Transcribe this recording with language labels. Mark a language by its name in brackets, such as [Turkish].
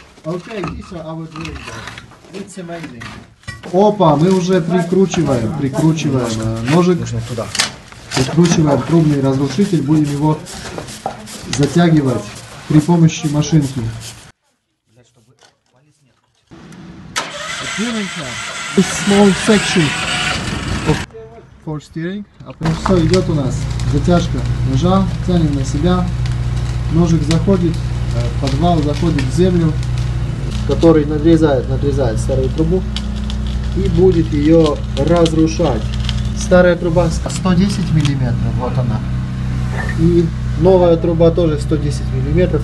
[Russian] Окей, здесь, а вот здесь. [English] It's amazing. [Russian] Опа, мы уже прикручиваем ножик. Туда. Прикручиваем трубный разрушитель, будем его затягивать при помощи машинки. [English] This small section for steering. [Russian] А прям все, идет у нас затяжка ножа, тянем на себя. Ножик заходит, подвал заходит в землю, который надрезает старую трубу и будет ее разрушать. Старая труба 110 мм, вот она. И новая труба тоже 110 мм.